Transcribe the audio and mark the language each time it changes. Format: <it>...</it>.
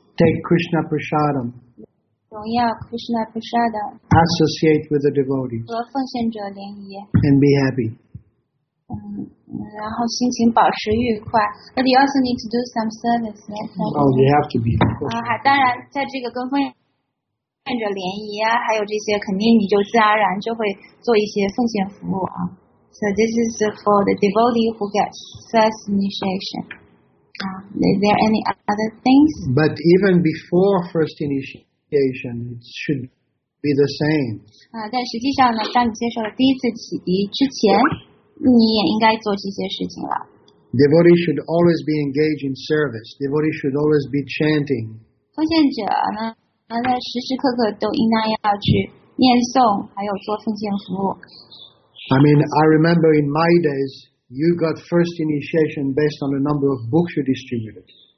<en>Take Krishna prasadam.</en> <zh>荣耀 Krishna prasadam.</zh> <en>Associate with the devotees.</en> <zh>和奉献者联谊。</zh> <en>And be happy.</en> <zh>然后心情保持愉快。</zh> <en>But you also need to do some service. Oh, you have to be.</en> <zh>当然，在这个跟奉献。奉献者联谊啊，还有这些，肯定你就自然而然就会做一些奉献服务啊。</zh> <en>So this is for the devotee who gets first initiation. Is there any other things? But even before first initiation, it should be the same.</en> <zh>但实际上呢，当你接受了第一次启迪之前，你也应该做这些事情了。</zh> <en>Devotee should always be engaged in service. Devotee should always be chanting.</en> <zh>奉献者呢？然后在时时刻刻都应当要去念诵，还有做奉献服务。</zh> <en>I mean, I remember in my days, you got first initiation based on the number of books you distributed.</en>